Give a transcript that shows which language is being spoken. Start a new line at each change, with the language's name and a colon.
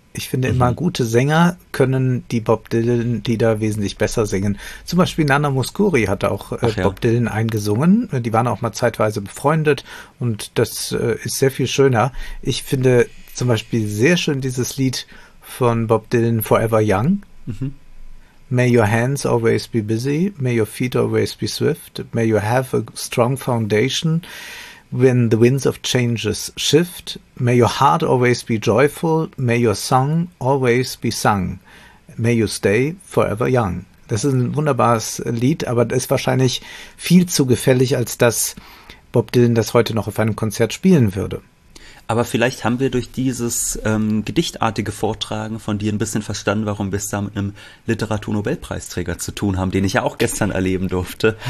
German: Ich finde immer, gute Sänger können die Bob Dylan-Lieder wesentlich besser singen. Zum Beispiel Nana Mouskouri hatte auch Bob Dylan eingesungen. Die waren auch mal zeitweise befreundet und das ist sehr viel schöner. Ich finde zum Beispiel sehr schön dieses Lied von Bob Dylan, Forever Young.
English: May your hands always be busy, may your feet always be swift, may you have a strong foundation when the winds of changes shift, may your heart always be joyful, may your song always be sung, may you stay forever young.
German: Das ist ein wunderbares Lied, aber ist wahrscheinlich viel zu gefällig, als dass Bob Dylan das heute noch auf einem Konzert spielen würde. Aber vielleicht haben wir durch dieses gedichtartige Vortragen von dir ein bisschen verstanden, warum wir es da mit einem Literaturnobelpreisträger zu tun haben, den ich ja auch gestern erleben durfte.